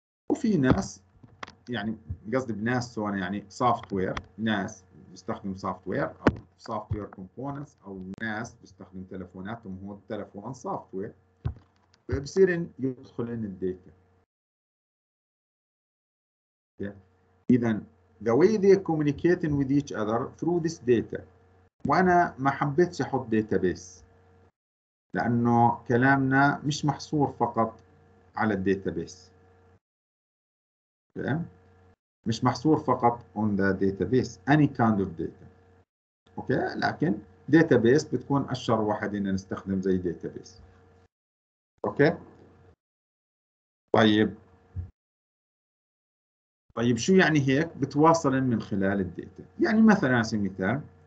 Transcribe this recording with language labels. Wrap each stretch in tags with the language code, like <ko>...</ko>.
<ar>وفي ناس، يعني قصدي بناس سواء يعني سوفت وير، ناس بيستخدم سوفت وير او سوفت وير كومبوننتس، او ناس بيستخدم تليفوناتهم، هو التليفون سوفت وير، بصير يدخل ان الداتا.</ar> <en>Okay. اذا the way they communicating with each other through this data.</en> <ar>وانا ما حبيتش احط داتابيس، لانه كلامنا مش محصور فقط على الداتابيس. تمام، مش محصور فقط</ar> <en>on the database any kind of data.</en> <ar>اوكي، لكن database بتكون اشهر واحد ان نستخدم زي database. اوكي، طيب شو يعني هيك بتواصل من خلال الداتا؟ يعني مثلا على سبيل المثال</ar>